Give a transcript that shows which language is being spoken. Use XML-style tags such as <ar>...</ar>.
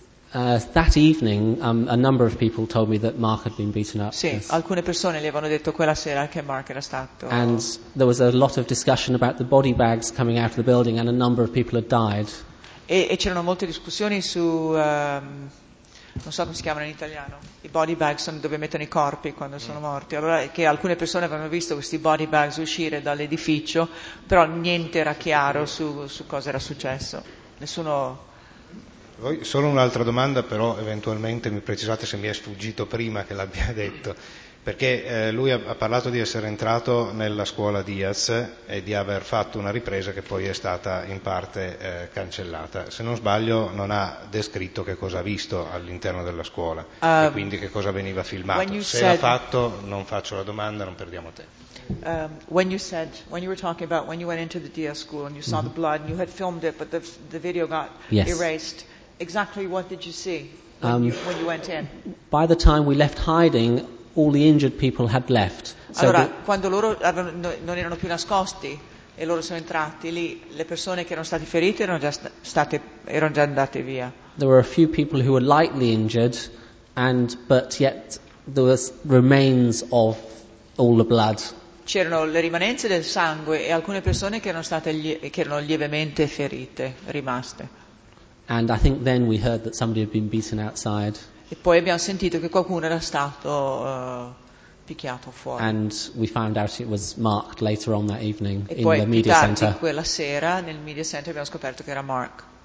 <en>that evening a number of people told me that Mark had been beaten up.</en> <it>Sì,</it> <en>yes.</en> <it>Alcune persone gli avevano detto quella sera che Mark era stato.</it> <en>And there was a lot of discussion about the body bags coming out of the building and a number of people had died.</en> <it>E c'erano molte discussioni su non so come si chiamano in italiano, i body bags sono dove mettono i corpi quando sono morti, allora che alcune persone avevano visto questi body bags uscire dall'edificio, però niente era chiaro su cosa era successo, nessuno. Voi, solo un'altra domanda, però eventualmente mi precisate se mi è sfuggito prima che l'abbia detto, perché lui ha parlato di essere entrato nella scuola Diaz e di aver fatto una ripresa che poi è stata in parte cancellata. Se non sbaglio non ha descritto che cosa ha visto all'interno della scuola e quindi che cosa veniva filmato. Se</it> <en>said,</en> <it>l'ha fatto, non faccio la domanda, non perdiamo tempo.</it> <en>When you said, when you were talking about when you went into the Diaz school and you saw mm-hmm. the blood and you had filmed it but the video got yes. erased, exactly what did you see when you went in? By the time we left hiding, all the injured people had left.</en> <it>So allora, quando loro non erano più nascosti e loro sono entrati lì, le persone che erano state ferite erano già andate via.</it> <en>There were a few people who were lightly injured, and but yet there was remains of all the blood.</en> <it>C'erano le rimanenze del sangue e alcune persone che erano lievemente ferite, rimaste.</it> <en>And I think then we heard that somebody had been beaten outside.</en> <it>E poi abbiamo sentito che qualcuno era stato picchiato fuori.</it> <en>And we found out it was marked later on that evening in the media center.</en> <it>E poi quella sera nel media center abbiamo scoperto che era Mark.</it>